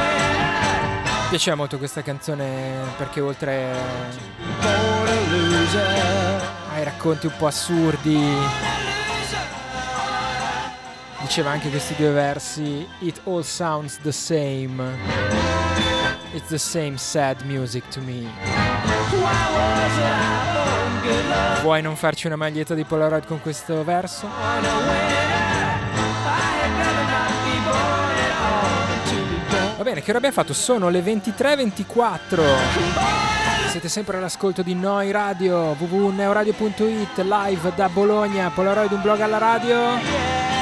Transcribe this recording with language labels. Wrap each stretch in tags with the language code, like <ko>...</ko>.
<it>Mi piaceva molto questa canzone perché oltre ai racconti un po' assurdi diceva anche questi due versi:</it> <en>"It all sounds the same. It's the same sad music to me."</en> <it>Vuoi non farci una maglietta di Polaroid con questo verso? Va bene, che ora abbiamo fatto? Sono le 23.24. Siete sempre all'ascolto di Noi Radio, www.neoradio.it, live da Bologna, Polaroid, un blog alla radio.</it>